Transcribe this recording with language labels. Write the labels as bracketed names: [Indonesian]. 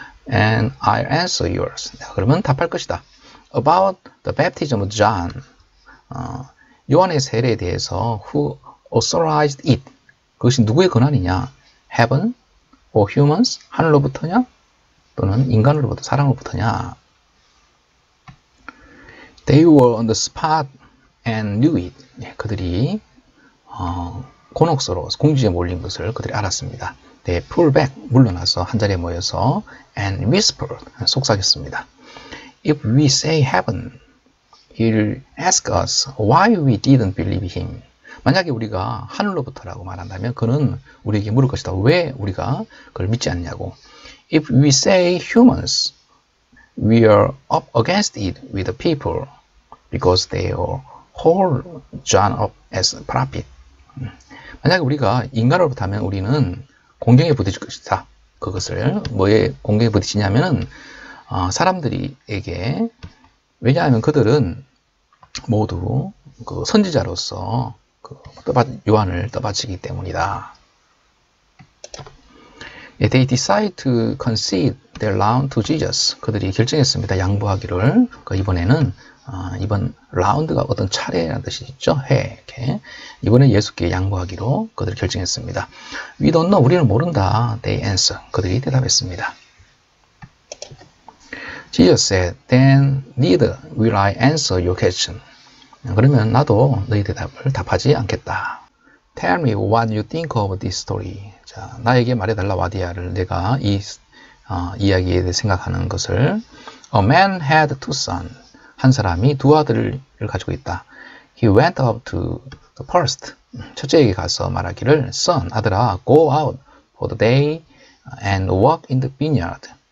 [English] And I'll answer yours. [Korean] 그러면 답할 것이다. [English] About the baptism of John. [Korean] 요한의 세례에 대해서 [English] who authorized it? [Korean] 그것이 누구의 권한이냐? [English] Heaven or humans? [Korean] 하늘로부터냐? 또는 인간으로부터, 사람으로부터냐? [English] They were on the spot and knew it. [Korean] 네, 그들이 곤혹스러워, 공중에 몰린 것을 그들이 알았습니다. [English] They pull back, [Korean] 물러나서 한자리에 모여서 [English] and whispered, [Korean] 속삭였습니다. [English] If we say heaven, he'll ask us why we didn't believe him. [Korean] 만약에 우리가 하늘로부터라고 말한다면 그는 우리에게 물을 것이다. 왜 우리가 그걸 믿지 않냐고. [English] If we say humans, we are up against it with the people because they hold John up as a prophet. [Korean] 만약에 우리가 인간으로부터 하면 우리는 공경에 부딪힐 것이다. 그것을 뭐에 공경에 부딪히냐면 사람들에게, 왜냐하면 그들은 모두 그 선지자로서 요한을 떠받치기 때문이다. [English] They decide to concede their round to Jesus. [Korean] 그들이 결정했습니다. 양보하기를. 그 이번에는 이번 라운드가 어떤 차례라는 뜻이죠. 회. 이렇게. 이번에 예수께 양보하기로 그들이 결정했습니다. [English] We don't know. [Korean] 우리는 모른다. [English] They answer. [Korean] 그들이 대답했습니다. [English] Jesus said, then neither will I answer your question. [Korean] 그러면 나도 너희 대답을 답하지 않겠다. [English] Tell me what you think of this story. [Korean] 자, 나에게 말해달라, 와디아를. 내가 이 이야기에 대해 생각하는 것을. [English] A man had two sons. [Korean] 한 사람이 두 아들을 가지고 있다. [English] He went up to the first. [Korean] 첫째에게 가서 말하기를, [English] Son, 아들아, go out for the day and walk in the vineyard.